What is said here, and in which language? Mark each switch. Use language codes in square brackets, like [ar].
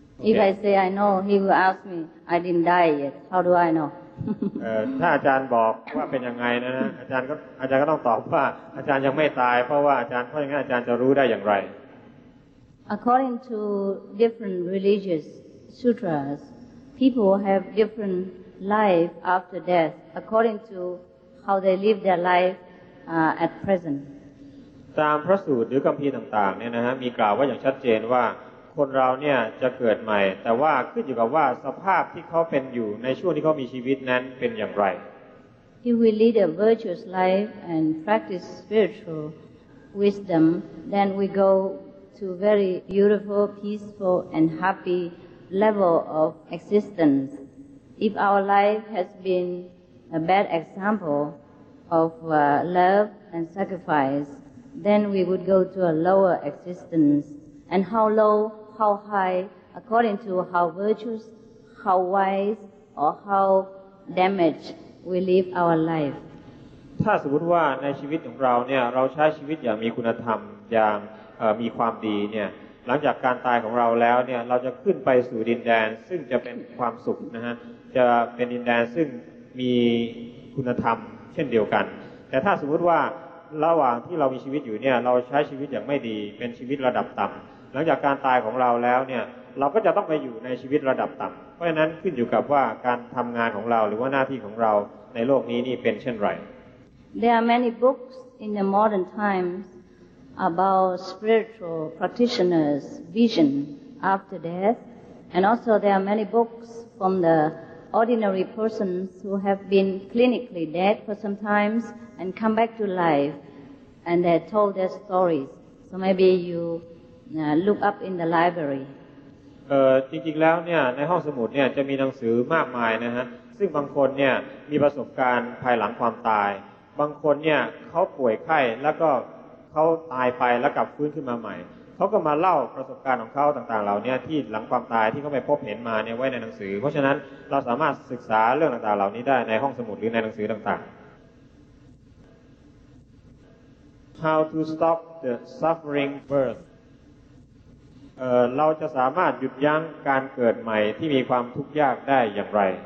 [en] If I say I know, he will ask me, I didn't die yet. How do I know? [th] ถ้าอาจารย์บอกว่าเป็นยังไงนะอาจารย์ก็ต้องตอบว่าอาจารย์ยังไม่ตายเพราะว่าอาจารย์เพราะงั้นอาจารย์จะรู้ได้อย่างไร [en] According to different religious sutras, people have different life after death according to how they live their life at present. [th] ตามพระสูตรหรือคัมภีร์ต่างๆเนี่ยนะฮะมีกล่าวว่าอย่างชัดเจนว่าคนเราเนี่ยจะเกิดใหม่แต่ว่าขึ้นอยู่กับว่าสภาพที่เขาเป็นอยู่ในช่วงที่เขามีชีวิตนั้นเป็นอย่างไร [en] If we lead a virtuous life and practice spiritual wisdom then we go to very beautiful peaceful and happy level of existence if our life has been a bad example of love and sacrifice then we would go to a lower existence and how low how high according to how virtuous how wise or how damaged we live our life [th] ถ้าสมมุติว่าในชีวิตของเราเนี่ยเราใช้ชีวิตอย่างมีคุณธรรมอย่างมีความดีเนี่ยหลังจากการตายของเราแล้วเนี่ยเราจะขึ้นไปสู่ดินแดนซึ่งจะเป็นความสุขนะฮะจะเป็นดินแดนซึ่งมีคุณธรรมเช่นเดียวกันแต่ถ้าสมมุติว่าระหว่างที่เรามีชีวิตอยู่เนี่ยเราใช้ชีวิตอย่างไม่ดีเป็นชีวิตระดับต่ำหลังจากการตายของเราแล้วเนี่ยเราก็จะต้องไปอยู่ในชีวิตระดับต่ำเพราะฉะนั้นขึ้นอยู่กับว่าการทำงานของเราหรือว่าหน้าที่ของเราในโลกนี้นี่เป็นเช่นไร [en] There are many books in the modern times about spiritual practitioners' vision after death and also there are many books from theOrdinary persons who have been clinically dead for some time and come back to life and they told their stories. So maybe you look up in the library. [th] จริงๆแล้วเนี่ยในห้องสมุดเนี่ยจะมีหนังสือมากมายนะฮะซึ่งบางคนเนี่ยมีประสบการณ์ภายหลังความตายบางคนเนี่ยเขาป่วยไข้แล้วก็ เขาตายไปแล้วกลับฟื้นขึ้นมาใหม่เขาก็มาเล่าประสบการณ์ของเขาต่างๆเหล่านี้ที่หลังความตายที่เขาไปพบเห็นมาเนี่ยไว้ในหนังสือเพราะฉะนั้นเราสามารถศึกษาเรื่องต่างๆเหล่านี้ได้ในห้องสมุดหรือในหนังสือต่างๆ [en] How to stop the suffering birth [th] เราจะสามารถหยุดยั้งการเกิดใหม่ที่มีความทุกข์ยากได้อย่างไร